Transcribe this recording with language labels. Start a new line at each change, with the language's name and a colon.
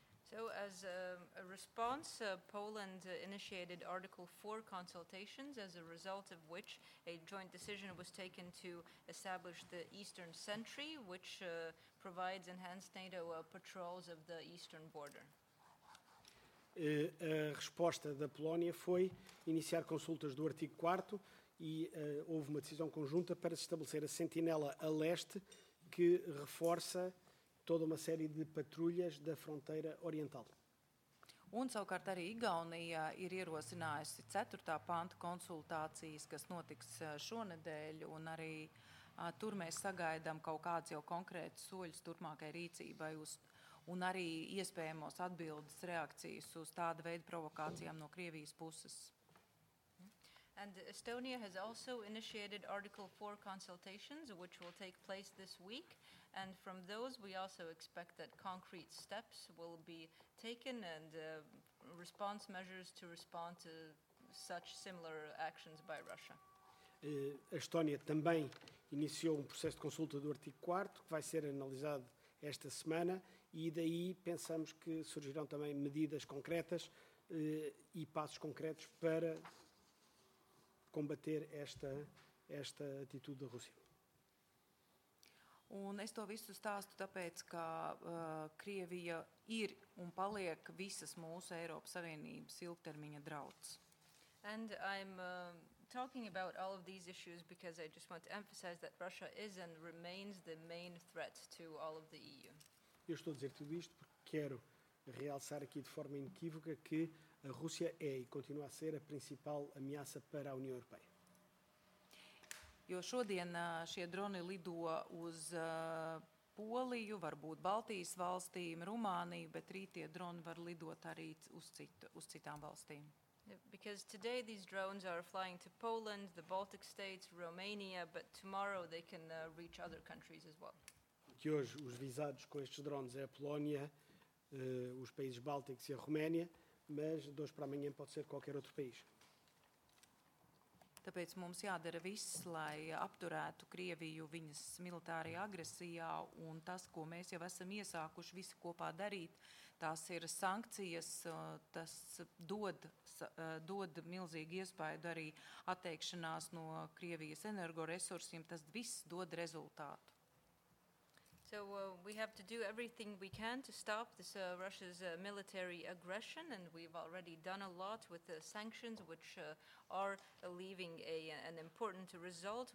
English: So as a response, Poland initiated Article 4 consultations, as a result of which a joint decision was taken to establish the Eastern Sentry, which provides enhanced NATO patrols of the eastern border.
Portuguese: A resposta da Polónia foi iniciar consultas do artigo 4º e houve uma decisão conjunta para se estabelecer a sentinela a leste que reforça toda uma série de patrulhas da fronteira oriental.
Latvian: Un savukārt arī Igaunija ir ierosinājusi 4. Panta konsultācijas, kas notiks šonedēļ, un arī tur mēs sagaidām kaut kāds jau konkrēts soļus turpmākai rīcībai uz, un arī iespējamos atbildes reakcijas uz tāda veida provokācijām no Krievijas puses.
English: And Estonia has also initiated Article 4 consultations, which will take place this week. And from those, we also expect that concrete steps will be taken and response measures to respond to such similar actions by Russia.
Portuguese: A Estónia também iniciou um processo de consulta do artigo 4º, que vai ser analisado esta semana, e daí pensamos que surgirão também medidas concretas e passos concretos para combater esta atitude da Rússia.
Latvian: Un es to visu stāstu tāpēc, ka Krievija ir un paliek visas mūsu Eiropas Savienības ilgtermiņa drauds.
English: And I'm talking about all of these issues because I just want to emphasize that Russia is and remains the main threat to all of the EU.
Portuguese: Eu estou a dizer tudo isto porque quero realçar aqui de forma inequívoca que a Rússia é e continua a ser a principal ameaça para a União Europeia.
Latvian: Jo šodien šie droni lido uz Poliju, varbūt Baltijas valstīm, Rumāniju, bet rīt tie droni var lidot arī uz citām valstīm.
English: Because today these drones are flying to Poland, the Baltic states, Romania, but tomorrow they can reach other countries as well.
Portuguese: Que hoje os visados com estes drones é a Polónia, os países bálticos e a Roménia, mas de hoje para amanhã pode ser qualquer outro país.
Latvian: Tāpēc mums jādara viss, lai apturētu Krieviju viņas militārajā agresijā un tas, ko mēs jau esam iesākuši visi kopā darīt, tās ir sankcijas, tas dod milzīgu iespaidu arī atteikšanās no Krievijas energoresursiem, tas viss dod rezultātu.
English: So we have to do everything we can to stop this Russia's military aggression and we've already done a lot with the sanctions which are leaving an important result.